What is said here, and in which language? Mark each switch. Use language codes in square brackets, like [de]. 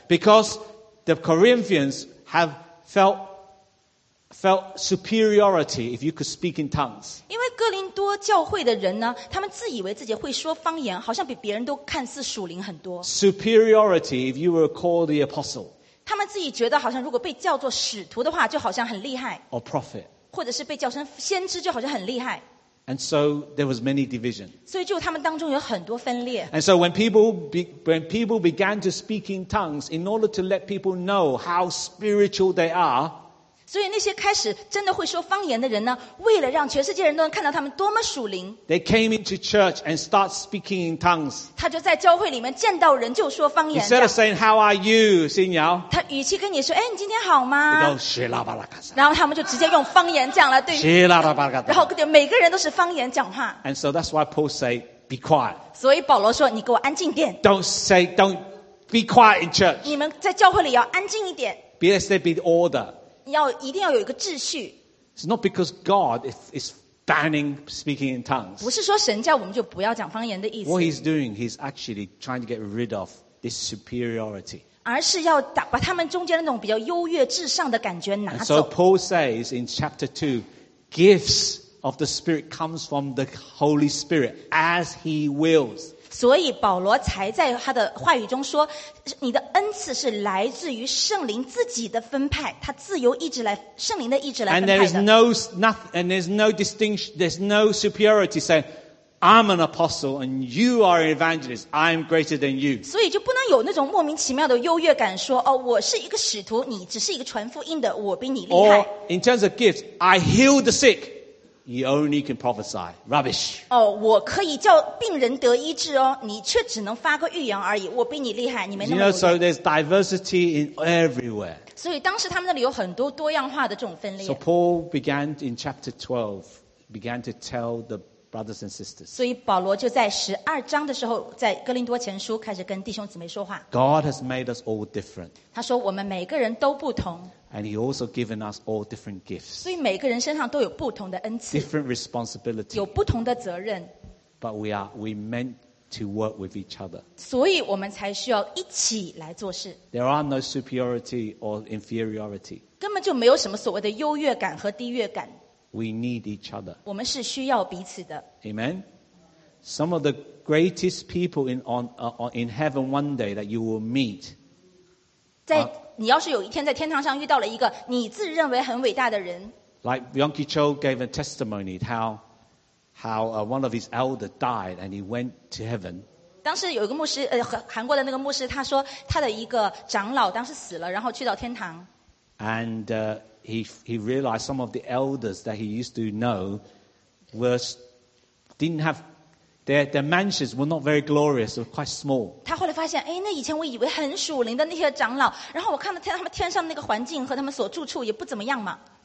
[en] Because the Corinthians have felt superiority if you could speak in tongues. [zh] 因为哥林多教会的人呢，他们自以为自己会说方言，好像比别人都看似属灵很多。 [en] Superiority if you were called the apostle. [zh] 他们自己觉得好像如果被叫做使徒的话，就好像很厉害。 [en] Or prophet. [zh] 或者是被叫成先知，就好像很厉害。 [en] And so there was many division. [zh] 所以就他们当中有很多分裂。 [en] And so when people began to speak in tongues in order to let people know how spiritual they are, [zh] 所以那些开始真的会说方言的人呢，为了让全世界人都能看到他们多么属灵， [en] they came into church and start speaking in tongues. [zh] 他就在教会里面见到人就说方言。 [en] Instead of saying how are you, 新瑶， [zh] 他语气跟你说，哎，你今天好吗？然后他们就直接用方言讲了，对。然后每个人都是方言讲话。 [en] And so that's why Paul say, be quiet. [zh] 所以保罗说，你给我安静点。 [en] Don't be quiet in church. [zh] 你们在教会里要安静一点。 [en] Let's say be order. [zh] 一定要有一个秩序。 [en] It's not because God is banning speaking in tongues. [zh] 不是说神叫我们就不要讲方言的意思。 [en] What he's doing, he's actually trying to get rid of this superiority. [zh] 而是要把他们中间那种比较优越至上的感觉拿走。 [en] And so Paul says in chapter 2, gifts of the Spirit comes from the Holy Spirit as he wills. [zh] 所以保罗才在他的话语中说，你的恩赐是来自于圣灵自己的分派，他自由意志来，圣灵的意志来分派的。 [en] And there is there's no superiority saying, I'm an apostle and you are an evangelist, I'm greater than you. [zh] 所以就不能有那种莫名其妙的优越感说，哦，我是一个使徒，你只是一个传福音的，我比你厉害。 [en] Or in terms of gifts, I heal the sick. You only can prophesy. Rubbish. [zh] Oh, 我可以叫病人得医治哦，你却只能发个预言而已。我比你厉害，你没那么。 [en] You know, so there's diversity in everywhere. [zh] 所以当时他们那里有很多多样化的这种分裂。 [en] So Paul began in chapter 12, began to tell the brothers and sisters. [zh] 所以保罗就在十二章的时候，在哥林多前书开始跟弟兄姊妹说话。 [en] God has made us all different. [zh] 他说我们每个人都不同。 [en] And he also given us all different gifts. [zh] 所以每个人身上都有不同的恩赐。 [en] Different responsibility. [zh] 有不同的责任。 [en] But we meant to work with each other. [zh] 所以我们才需要一起来做事。 [en] There are no superiority or inferiority. [zh] 根本就没有什么所谓的优越感和低越感。 [en] We need each other. [zh] 我们是需要彼此的。 [en] Amen. Some of the greatest people in heaven one day that you will meet. [zh] 在你要是有一天在天堂上遇到了一个你自认为很伟大的人 [en] ，Like Yonki Cho gave a testimony how one of his elder died and he went to heaven。 [zh] 当时有一个牧师，韩国的那个牧师，他说他的一个长老当时死了，然后去到天堂。 [en] And he realized some of the elders that he used to know didn't have Their mansions were not very glorious, they were quite small. [zh] 他后来发现，哎，那以前我以为很属灵的那些长老，然后我看到他们天上那个环境和他们所住处也不怎么样嘛。